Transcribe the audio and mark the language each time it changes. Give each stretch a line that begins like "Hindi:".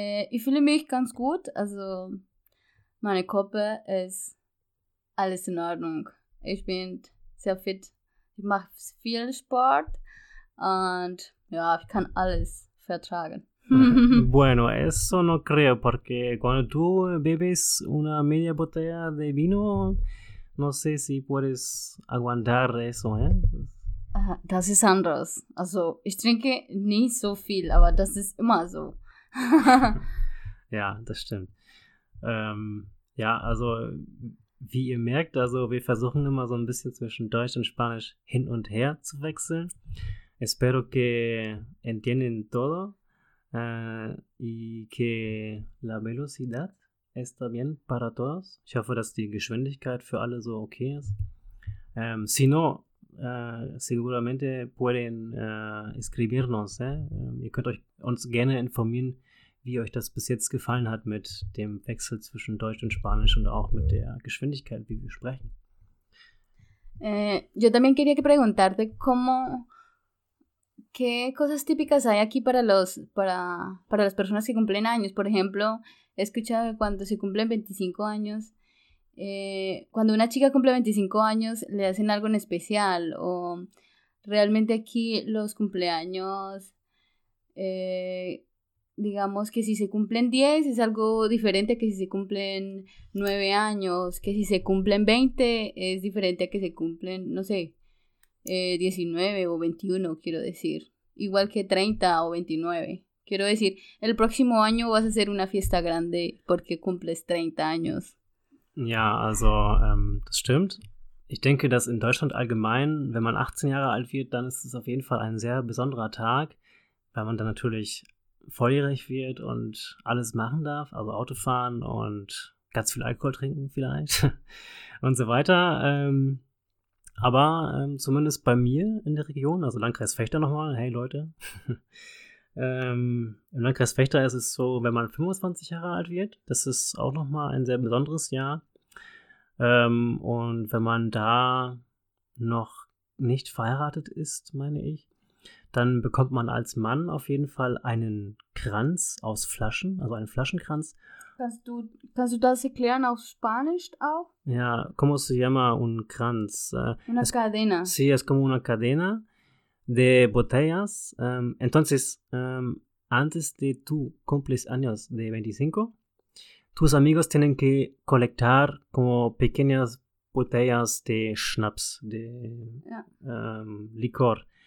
German: Ich fühle mich ganz gut, also meine Körper ist alles in Ordnung. Ich bin sehr fit, ich mache viel Sport und ja, ich kann alles vertragen.
Spanish: Bueno, eso no creo, porque cuando tú bebes una media botella de vino... No sé si puedes aguantar eso, ¿eh?
German: Das ist anders. Also, ich trinke nie so viel, aber das ist immer so. Ja, das stimmt. Ja, also, wie ihr merkt, also wir versuchen immer so ein bisschen zwischen Deutsch und Spanisch hin und her zu wechseln.
Spanish: Espero que entiendan todo y que la velocidad está bien para todos.
German: Ich hoffe, dass die Geschwindigkeit für alle so okay ist.
Spanish: Si no, seguramente pueden escribirnos.
German: Ihr könnt euch uns gerne informieren, wie euch das bis jetzt gefallen hat mit dem Wechsel zwischen Deutsch und Spanisch und auch mit der Geschwindigkeit, wie wir sprechen.
Spanish: Yo también quería preguntarte cómo qué cosas típicas hay aquí para las personas que cumplen años. Por ejemplo, he escuchado que cuando se cumplen 25 años, cuando una chica cumple 25 años, le hacen algo en especial. O realmente aquí los cumpleaños, digamos que si se cumplen 10 es algo diferente que si se cumplen 9 años, que si se cumplen 20 es diferente a que se cumplen, no sé, 19 o 21, quiero decir. Igual que 30 o 29, Quiero decir, el próximo año vas a hacer una fiesta grande porque cumples 30 años.
German: Ja, also, das stimmt. Ich denke, dass in Deutschland allgemein, wenn man 18 Jahre alt wird, dann ist es auf jeden Fall ein sehr besonderer Tag, weil man dann natürlich volljährig wird und alles machen darf, also Auto fahren und ganz viel Alkohol trinken vielleicht und so weiter. Aber zumindest bei mir in der Region, also Landkreis Vechta nochmal, hey Leute, im Landkreis Vechta ist es so, wenn man 25 Jahre alt wird, das ist auch nochmal ein sehr besonderes Jahr. Und wenn man da noch nicht verheiratet ist, meine ich, dann bekommt man als Mann auf jeden Fall einen Kranz aus Flaschen, also einen Flaschenkranz. Kannst du das erklären auf Spanisch auch?
Spanish: Ja, ¿cómo se llama un Kranz? Una cadena. Sí, es como una cadena de botellas. Entonces, antes de tu cumples años de 25, tus amigos tienen que colectar como pequeñas botellas de schnaps, de licor.